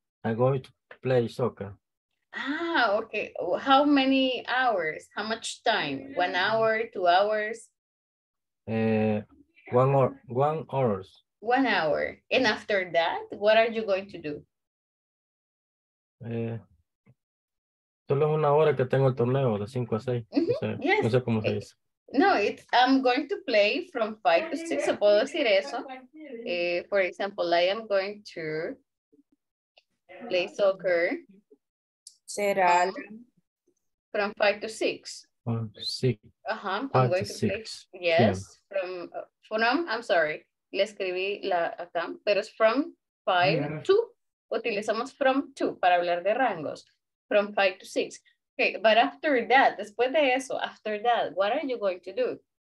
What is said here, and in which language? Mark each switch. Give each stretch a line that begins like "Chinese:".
English: I'm going to play soccer. Ah, okay. How many hours? How much time? 1 hour, 2 hours? 1 hour. 1 hour. And after that, what are you going to do?
Spanish: Solo es una hora que tengo el torneo, de 5 a 6. Mm-hmm. No sé cómo se dice.
English: No, I'm going to play from 5 to 6.
Spanish: ¿Se puedo decir eso?
English: For example, I am going to play soccer.
Spanish: Será
English: from 5 to 6. I'm going to play.
Spanish: Le escribí la acá, pero es from 5 to. Utilizamos from 2 para hablar de rangos. From 5 to 6.
English: Okay, but after that,
Spanish: después de eso,
English: after that, what are you going to do?